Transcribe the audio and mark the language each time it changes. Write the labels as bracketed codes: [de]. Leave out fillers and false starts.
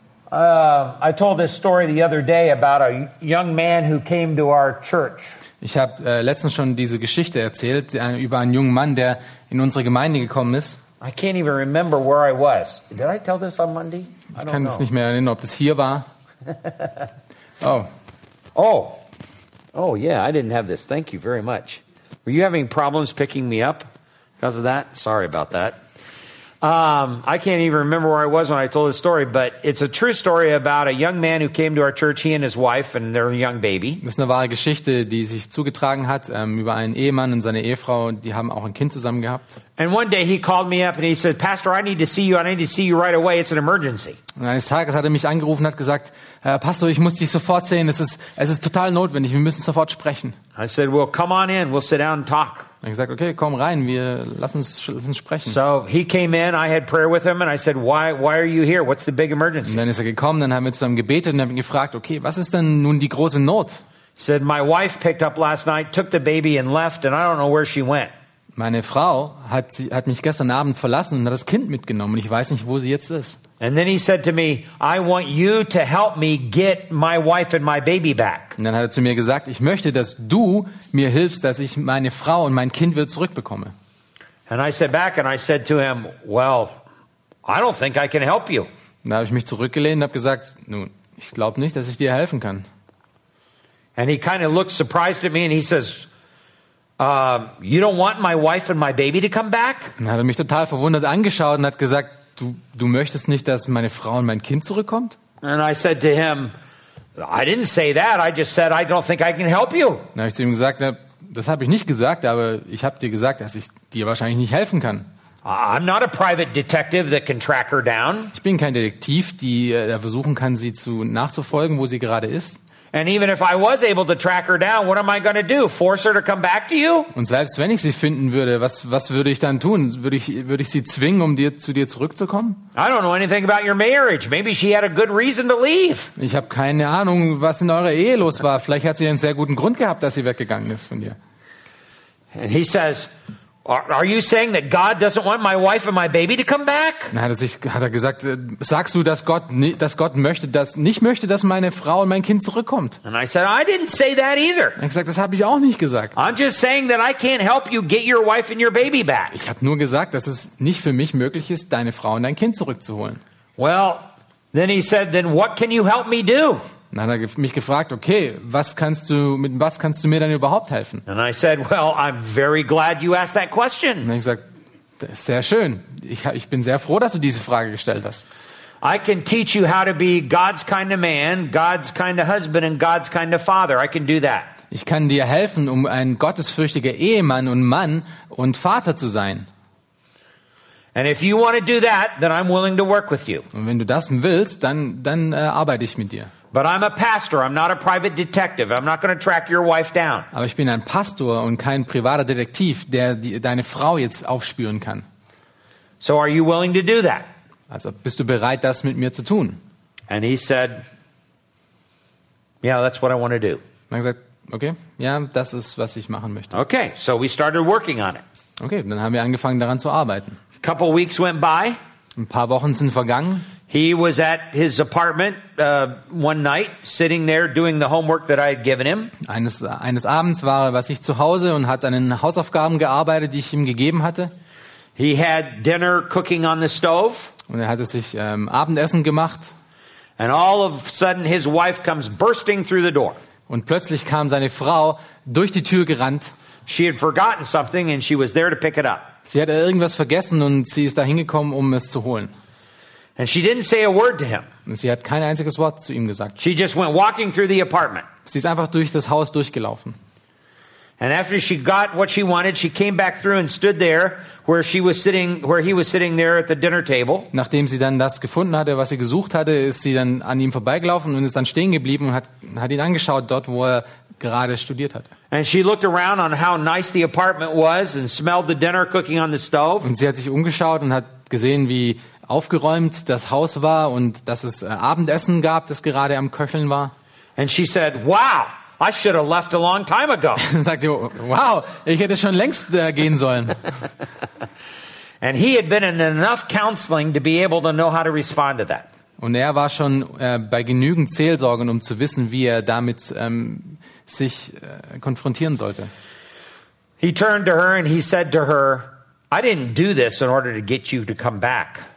[en] I told this story the other day about a young man who came to our church. [de] Ich habe letztens schon diese Geschichte erzählt über einen jungen Mann, der in unsere Gemeinde gekommen ist. [en] I can't even remember where I was. Did I tell this on Monday? [de] Ich kann es nicht mehr erinnern, ob das hier war. Oh. Oh. [en] Oh yeah, I didn't have this. Thank you very much. Were you having problems picking me up because of that? Sorry about that. I can't even remember where I was when I told this story, but it's a true story about a young man who came to our church, he and his wife and their young baby. [de] Das ist eine wahre Geschichte, die sich zugetragen hat, über einen Ehemann und seine Ehefrau, die haben auch ein Kind zusammen gehabt. [en] And one day he called me up and he said, "Pastor, I need to see you. I need to see you right away. It's an emergency." [de] Und eines Tages hat mich angerufen und hat gesagt, "Pastor, ich muss dich sofort sehen. Es ist total notwendig. Wir müssen sofort sprechen." [en] I said, "Well, come on in. We'll sit down and talk." [de] Er hat gesagt, okay, komm rein, lass uns sprechen. [en] So he came in, I had prayer with him and I said, why are you here? What's the big emergency? [de] Und dann ist er gekommen, dann haben wir zusammen gebetet und haben ihn gefragt, okay, was ist denn nun die große Not? [en] He said, my wife picked up last night, took the baby and left and I don't know where she went. [de] Meine Frau hat mich gestern Abend verlassen und hat das Kind mitgenommen und ich weiß nicht, wo sie jetzt ist. [en] And then he said to me, I want you to help me get my wife and my baby back. [de] Und dann hat er zu mir gesagt, ich möchte, dass du mir hilfst, dass ich meine Frau und mein Kind wieder zurückbekomme. [en] And I sat back and I said to him, well, I don't think I can help you. [de] Da habe ich mich zurückgelehnt und habe gesagt, nun, ich glaube nicht, dass ich dir helfen kann. [en] And he kind of looked surprised at me and he says, you don't want my wife and my baby to come back? [de] Dann hat er mich total verwundert angeschaut und hat gesagt, du möchtest nicht, dass meine Frau und mein Kind zurückkommt? [en] And I said to him, I didn't say that. I just said I don't think I can help you. [de] Dann habe ich zu ihm gesagt, das habe ich nicht gesagt, aber ich habe dir gesagt, dass ich dir wahrscheinlich nicht helfen kann. [en] I'm not a private detective that can track her down. [de] Ich bin kein Detektiv, der versuchen kann, sie nachzufolgen, wo sie gerade ist. [en] And even if I was able to track her down, what am I going to do? Force her to come back to you? [de] Und selbst wenn ich sie finden würde, was würde ich dann tun? Würde ich sie zwingen, um zu dir zurückzukommen? [en] I don't know anything about your marriage. Maybe she had a good reason to leave. [de] Ich habe keine Ahnung, was in eurer Ehe los war. Vielleicht hat sie einen sehr guten Grund gehabt, dass sie weggegangen ist von dir. [en] And he says, are you saying that God doesn't want my wife and my baby to come back? [de] Hat er gesagt, sagst du, dass Gott nicht möchte, dass meine Frau und mein Kind zurückkommt? [en] And I said, I didn't say that either. [de] Er hat gesagt, das habe ich auch nicht gesagt. [en] I'm just saying that I can't help you get your wife and your baby back. [de] Ich habe nur gesagt, dass es nicht für mich möglich ist, deine Frau und dein Kind zurückzuholen. [en] Well, then he said, then what can you help me do? [de] Dann hat er mich gefragt, okay, was kannst du mir dann überhaupt helfen? [en] And I said, well, I'm very glad you asked that question. [de] Dann habe ich gesagt, das ist sehr schön. Ich bin sehr froh, dass du diese Frage gestellt hast. [en] I can teach you how to be God's kind of man, God's kind of husband and God's kind of father. I can do that. [de] Ich kann dir helfen, um ein gottesfürchtiger Ehemann und Mann und Vater zu sein. [en] And if you want to do that, then I'm willing to work with you. [de] Und wenn du das willst, dann arbeite ich mit dir. [en] But I'm a pastor, I'm not a private detective. I'm not going to track your wife down. [de] Aber ich bin ein Pastor und kein privater Detektiv, der deine Frau jetzt aufspüren kann. [en] So are you willing to do that? [de] Also, bist du bereit, das mit mir zu tun? [en] And he said, "Yeah, that's what I want to do." [de] Dann gesagt, okay, ja, das ist, was ich machen möchte. [en] Okay, so we started working on it. [de] Okay, dann haben wir angefangen daran zu arbeiten. [en] A couple weeks went by. [de] Ein paar Wochen sind vergangen. [en] He was at his apartment one night, sitting there doing the homework that I had given him. [de] Eines Abends war er bei sich zu Hause und hat an den Hausaufgaben gearbeitet, die ich ihm gegeben hatte. [en] He had dinner cooking on the stove. [de] Und er hatte sich Abendessen gemacht. [en] And all of a sudden his wife comes bursting through the door. [de] Und plötzlich kam seine Frau durch die Tür gerannt. [en] She had forgotten something and she was there to pick it up. [de] Sie hatte irgendwas vergessen und sie ist da hingekommen, um es zu holen. [en] And she didn't say a word to him. [de] Und sie hat kein einziges Wort zu ihm gesagt. [en] She just went walking through the apartment. [de] Sie ist einfach durch das Haus durchgelaufen. [en] And after she got what she wanted, she came back through and stood there where she was sitting, where he was sitting there at the dinner table. [de] Nachdem sie dann das gefunden hatte, was sie gesucht hatte, ist sie dann an ihm vorbeigelaufen und ist dann stehen geblieben und hat ihn angeschaut dort, wo er gerade studiert hatte. [en] And she looked around on how nice the apartment was and smelled the dinner cooking on the stove. [de] Und sie hat sich umgeschaut und hat gesehen, wie aufgeräumt das Haus war und dass es Abendessen gab, das gerade am Köcheln war. [en] And she said, "Wow, I should have left a long time ago." [de] Sagte, wow, ich hätte schon längst gehen sollen. [en] And he had been in enough counseling to be able to know how to respond to that. [de] Und er war schon bei genügend Seelsorgen, um zu wissen, wie er damit sich konfrontieren sollte. [en] He turned to her and he said to her, "I didn't do this in order to get you to come back."